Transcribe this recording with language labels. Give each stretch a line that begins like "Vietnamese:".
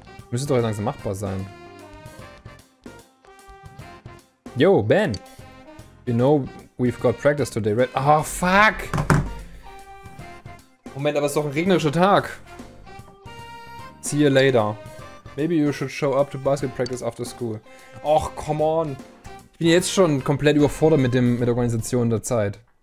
German: Müsste doch langsam machbar sein.
English: Yo, Ben! You know, we've got practice today, right? Oh, fuck!
German: Moment, aber es ist doch ein regnerischer Tag.
English: See you later. Maybe you should show up to basket practice after school. Och, come on!
German: Ich bin jetzt schon komplett überfordert mit der Organisation der Zeit.